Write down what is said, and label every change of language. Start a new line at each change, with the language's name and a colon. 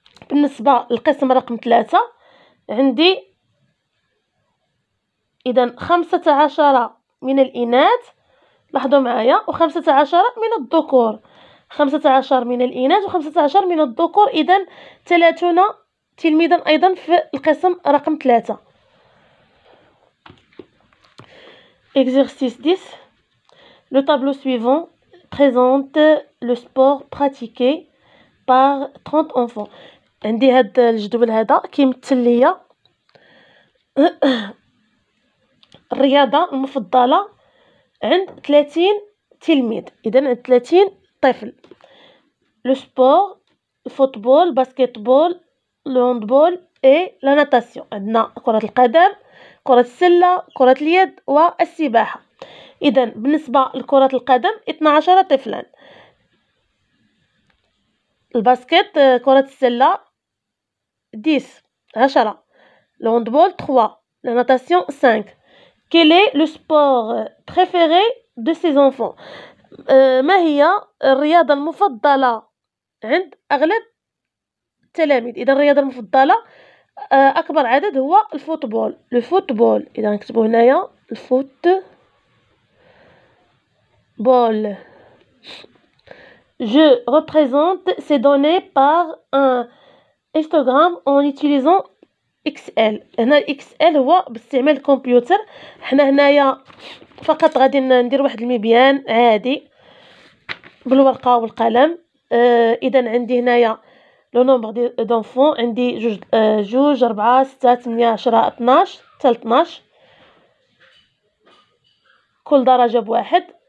Arabic: بالنسبة للقسم رقم 3 عندي اذا 15 من الاناث، لاحظوا معايا، و15 من الذكور. 15 من الإناث و15 من الذكور، إذا 30 تلميذا أيضا في القسم رقم 3.
French: Exercice 10. Le tableau suivant présente le sport pratiqué par 30 enfants.
Arabic: عندي هذا الجدول هذا كيمثل ليا الرياضة المفضلة عند 30 تلميذ، إذا عند 30 طفل. لو سبور الفوتبول باسكيتبول لوندبول اي لا ناتاسيون، عندنا كرة القدم كرة السلة كرة اليد والسباحة. إذا بالنسبة لكرة القدم 12 طفلا، الباسكيت كرة السلة 10، لوندبول 3، لا ناتاسيون 5. Quel est le sport préféré de ses enfants؟ ما هي الرياضة المفضلة عند أغلب التلاميذ؟ إذا الرياضة المفضلة أكبر عدد هو الفوتبول، لو فوتبول، إذا نكتبو هنايا الفوت بول.
French: Je représente ces données par un histogram en utilisant XL.
Arabic: هنا XL هو باستعمال الكمبيوتر، حنا هنايا فقط غادي ندير واحد المبيان عادي بالورقة والقلم. إذا عندي هنايا لو نومبغ دونفون، عندي جوج ربعة ستة تمنية عشرة اتناش تال اتناش، كل درجة بواحد.